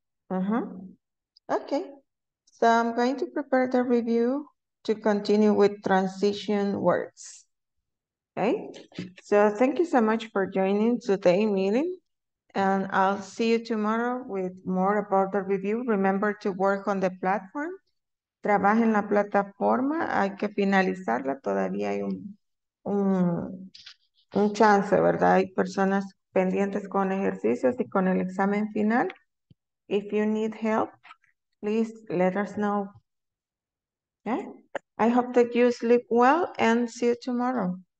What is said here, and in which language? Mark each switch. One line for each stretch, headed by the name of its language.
English: Okay, so I'm going to prepare the review to continue with transition words. Okay, so thank you so much for joining today's meeting, and I'll see you tomorrow with more about the review. Remember to work on the platform.
Spanish: Trabaja en la plataforma, hay que finalizarla, todavía hay un chance, ¿verdad? Hay personas pendientes con ejercicios y con el examen final.
English: If you need help, please let us know. Okay? I hope that you sleep well and see you tomorrow.